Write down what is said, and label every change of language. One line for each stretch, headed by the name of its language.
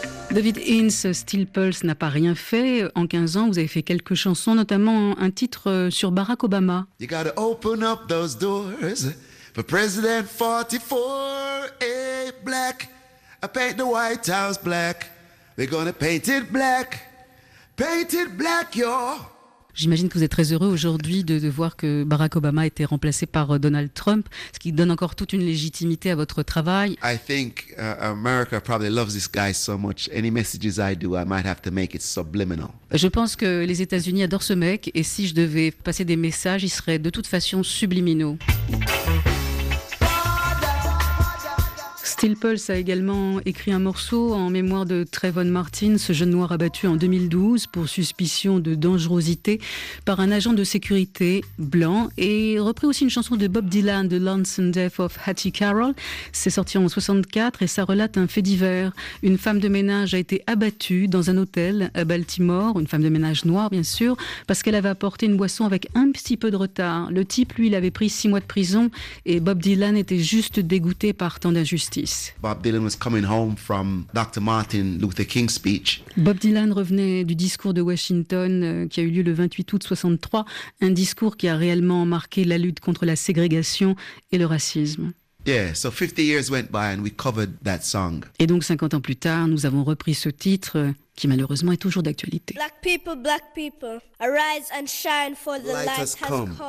French: David Haynes, Steel Pulse n'a pas rien fait. En 15 ans, vous avez fait quelques chansons, notamment un titre sur Barack Obama.
English: You gotta open up those doors for President 44 A black. I paint the White House black. They're gonna paint it black. Paint it black, y'all.
French: J'imagine que vous êtes très heureux aujourd'hui de voir que Barack Obama a été remplacé par Donald Trump, ce qui donne encore toute une légitimité à votre travail.
English: I think America probably loves this guy so much. Any messages I do, I might have to make it subliminal.
French: Je pense que les États-Unis adorent ce mec, et si je devais passer des messages, ils seraient de toute façon subliminaux. Steel Pulse a également écrit un morceau en mémoire de Trayvon Martin, ce jeune noir abattu en 2012 pour suspicion de dangerosité par un agent de sécurité blanc, et repris aussi une chanson de Bob Dylan, The Lonesome Death of Hattie Carroll. C'est sorti en 64 et ça relate un fait divers. Une femme de ménage a été abattue dans un hôtel à Baltimore, une femme de ménage noire bien sûr, parce qu'elle avait apporté une boisson avec un petit peu de retard. Le type, lui, il avait pris 6 mois de prison et Bob Dylan était juste dégoûté par tant d'injustice.
English: Bob Dylan was coming home from Dr. Martin Luther King's speech.
French: Bob Dylan revenait du discours de Washington qui a eu lieu le 28 août 63, un discours qui a réellement marqué la lutte contre la ségrégation et le racisme.
English: Yeah, so 50 years went by and we covered that song.
French: Et donc 50 ans plus tard, nous avons repris ce titre qui malheureusement est toujours d'actualité.
English: Black people, arise and shine for the light has come.